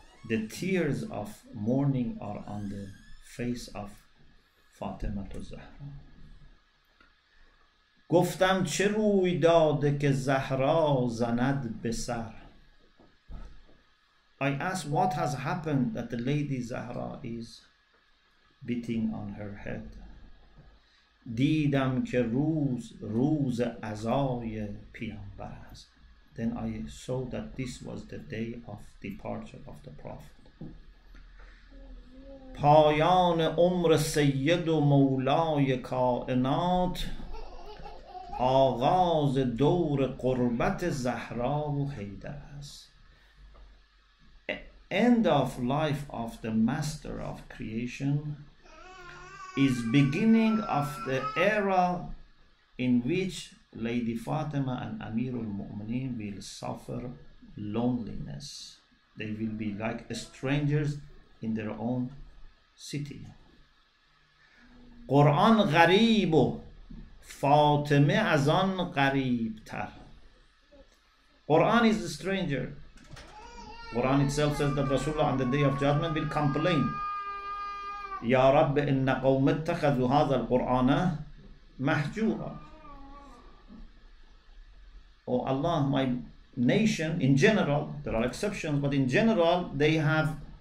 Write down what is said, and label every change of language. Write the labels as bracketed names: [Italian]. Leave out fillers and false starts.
[English] The tears of mourning are on the face of Fatima al-Zahra. [Persian] گفتم چه روی داده که زهرا زند به سر. [English] I asked, what has happened that the lady Zahra is beating on her head. [Persian] دیدم که روز عزای پیامبر است. [English] Then I saw that this was the day of departure of the Prophet. [Persian] پایان عمر سید و مولای کائنات، آغاز دور قربت زهرا و حیدر است. [English] End of life of the master of creation is beginning of the era in which Lady Fatima and Amirul Mu'mineen will suffer loneliness. They will be like strangers in their own city. [Persian] Quran غریب و فاطمه از آن غریب تر. [English] Quran is a stranger. Quran itself says that Rasulullah on the Day of Judgment will complain. [Arabic] Ya Rabbi, inna qawm ittakhadhu hadha al-Qur'ana mahjura. [English] Oh Allah, my nation, in general, there are exceptions, but in general, they have